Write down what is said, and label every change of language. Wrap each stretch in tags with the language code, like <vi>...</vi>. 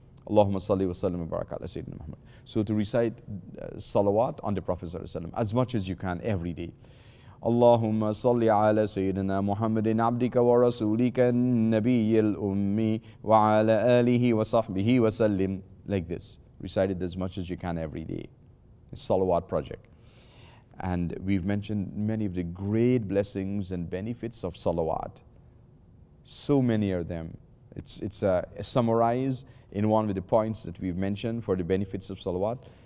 <ar>اللهم صلي وسلم وبارك على سيدنا محمد.</ar> <en>So to recite salawat on the Prophet sallallahu alayhi wa sallam as much as you can every day.</en> <ar>اللهم صل على سيدنا محمد عبدك ورسولك النبي الأمي وعلى آله وصحبه وسلم.</ar> <en>Like this, recite it as much as you can every day. It's Salawat Project. And we've mentioned many of the great blessings and benefits of Salawat. So many of them. It's a summarize in one of the points that we've mentioned for the benefits of Salawat.</en>